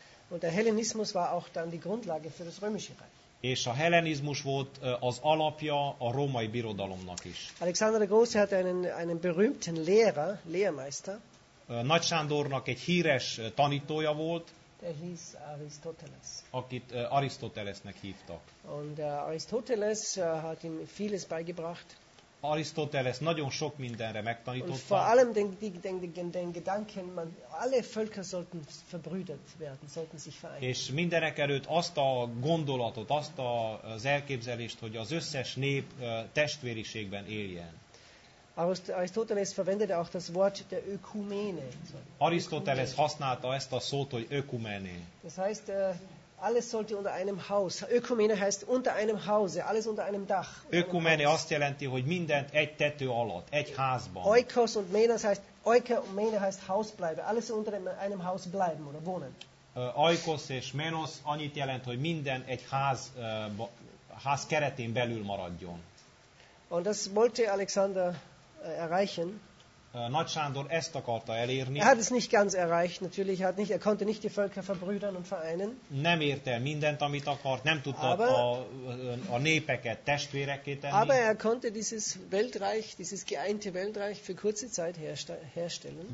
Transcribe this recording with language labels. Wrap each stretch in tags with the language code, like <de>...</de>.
<de>Und der Hellenismus war auch dann die Grundlage für das römische Reich.</de> <hu>És a Hellenizmus volt az alapja a római birodalomnak is.</hu> <de>Alexander der Große hatte einen berühmten Lehrer, Lehrmeister.</de> <hu>Nagy Sándornak egy híres tanítója volt.</hu> <de>Der hieß Aristoteles.</de> <hu>Akit Arisztotelesnek hívtak.</hu> <de>Und Aristoteles hat ihm vieles beigebracht.</de> <hu>Arisztoteles nagyon sok mindenre megtanította.</hu> <de>Und vor allem den Gedanken, man alle Völker sollten verbrüdert werden, sollten sich vereinen.</de> <hu>És mindenek előtt azt a gondolatot, azt az elképzelést, hogy az összes nép testvériségben éljen.</hu> <de>Aristoteles verwendete auch das Wort der Ökumene.</de> <hu>Arisztoteles használta ezt a szót, hogy ökumene.</hu> <de>Das heißt, alles sollte unter einem Haus. Ökumene heißt unter einem Hause, alles unter einem Dach.</de> <hu>Ökumene azt jelenti, hogy mindent egy tető alatt, egy házban.</hu> <de>Oikos und menes heißt, oike und mene heißt Haus bleiben, alles unter einem Haus bleiben oder wohnen.</de> <hu>Oikos és menos annyit jelent, hogy minden egy ház keretén belül maradjon.</hu> <de>Und das wollte Alexander erreichen.</de> <hu>Nagy Sándor ezt akarta elérni.</hu> <de>Er hat es nicht ganz erreicht, natürlich hat nicht, er konnte nicht die Völker verbrüdern und vereinen.</de> <hu>Nem érte el mindent, amit akart, nem tudta a népeket testvérekké tenni.</hu> <de>Aber er konnte dieses Weltreich, dieses geeinte Weltreich für kurze Zeit herstellen.</de>